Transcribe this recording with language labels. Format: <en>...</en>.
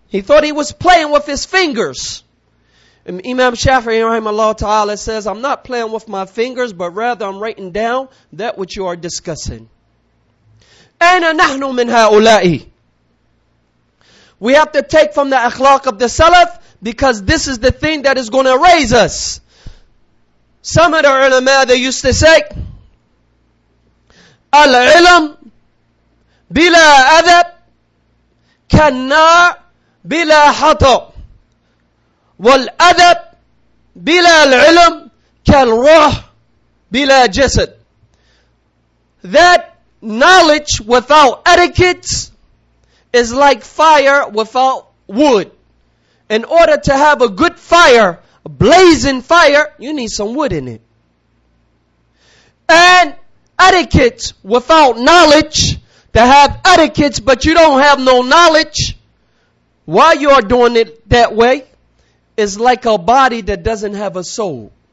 <en>He thought he was playing with his fingers. And Imam Shafi'i rahimahullah ta'ala says, I'm not playing with my fingers, but rather I'm writing down that which you are discussing.</en> <ar>أَيْنَ نَحْنُ مِنْ هَؤُلَاءِ.</ar> <en>We have to take from the akhlaq of the Salaf, because this is the thing that is going to raise us. Some of the ulama, they used to say,</en> <ar>العلم بلا أدب كالنار بلا حطب والأدب بلا العلم كالروح بلا جسد.</ar> <en>That knowledge without etiquette is like fire without wood. In order to have a good fire, a blazing fire, you need some wood in it. And etiquette without knowledge, to have etiquette but you don't have no knowledge why you are doing it that way, is like a body that doesn't have a soul.</en>